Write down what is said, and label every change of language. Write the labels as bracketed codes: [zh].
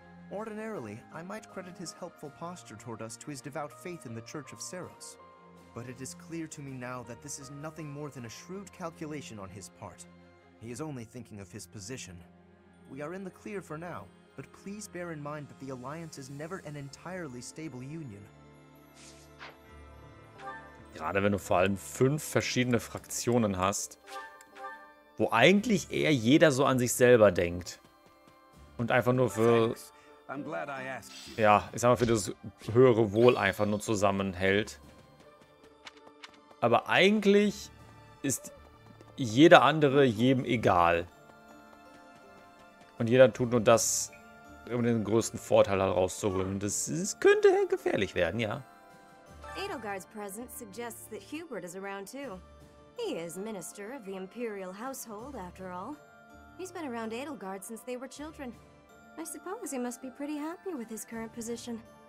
[en] Ordinarily, I might credit his helpful posture toward us to his devout faith in the Church of Seros. But it is clear to me now that this is nothing more than a shrewd calculation on his part. He is only thinking of his position. We are in the clear for now, but please bear in mind that the Alliance is never an entirely stable union. [de] Gerade wenn du vor allem fünf verschiedene Fraktionen hast, wo wo eigentlich eher jeder so an sich selber denkt. Und einfach nur für... Ja, ich sag mal, für das höhere Wohl einfach nur zusammenhält. Aber eigentlich ist jeder andere jedem egal. Und jeder tut nur das, um den größten Vorteil daraus zu holen. Und das könnte gefährlich werden, ja. [en] Edelgard's presence suggests that Hubert is around too. He is minister of the imperial household, after all. He's been around Edelgard since they were children. I suppose he must be pretty happy with his current position.